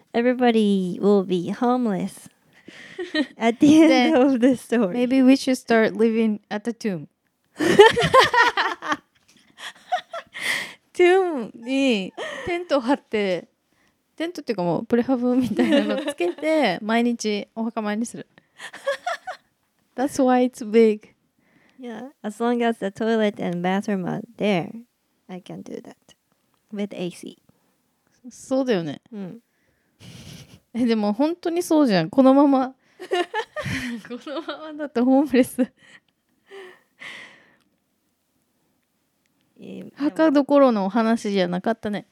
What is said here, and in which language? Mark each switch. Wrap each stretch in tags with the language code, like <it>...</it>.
<en>Everybody will be homeless at the end then, of the story. Maybe we should start living at the tomb.</en> <ja>トゥームにテント張って、テントっていうかもうプレハブみたいなのつけて毎日お墓参りする。</ja> <en>That's why it's big. Yeah, as long as the toilet and bathroom are there, I can do that. With AC.</en> <ja>そうだよね。うん。え、でも本当にそうじゃん。このまま。このままだとホームレス。墓どころの話じゃなかったね、</ja>